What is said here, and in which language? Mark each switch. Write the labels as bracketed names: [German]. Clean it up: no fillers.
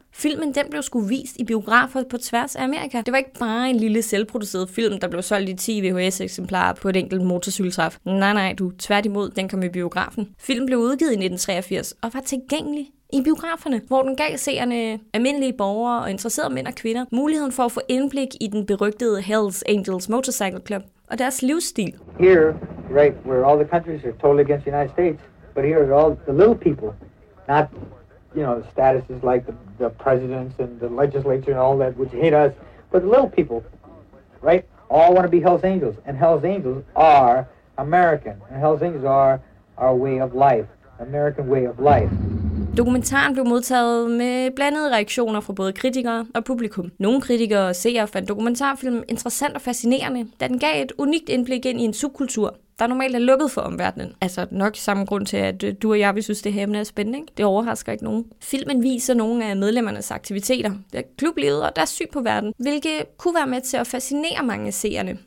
[Danish] Filmen den blev sgu vist i biografer på tværs af Amerika. Det var ikke bare en lille selvproduceret film, der blev solgt i 10 VHS-eksemplarer på et enkelt motorcykeltræf. Nej, du. Tværtimod, den kom i biografen. Filmen blev udgivet i 1983 og var tilgængelig i biograferne, hvor den gav seerne, almindelige borgere og interesserede mænd og kvinder, muligheden for at få indblik i den berygtede Hells Angels Motorcycle Club og deres livsstil. [English] Here, right where all the countries are totally against the United States, but here are all the little people, not, you know, statuses like the presidents and the legislature and all that, which hate us, but the little people, right, all want to be Hells Angels, and Hells Angels are American, and Hells Angels are our way of life, American way of life. [Danish] Dokumentaren blev modtaget med blandede reaktioner fra både kritikere og publikum. Nogle kritikere og seere fandt dokumentarfilmen interessant og fascinerende, da den gav et unikt indblik ind i en subkultur, der normalt er lukket for omverdenen. Altså nok samme grund til, at du og jeg vil synes, det her emne er spændende. Ikke? Det overrasker ikke nogen. Filmen viser nogle af medlemmernes aktiviteter, der klublivet og deres syn på verden, hvilket kunne være med til at fascinere mange seerne.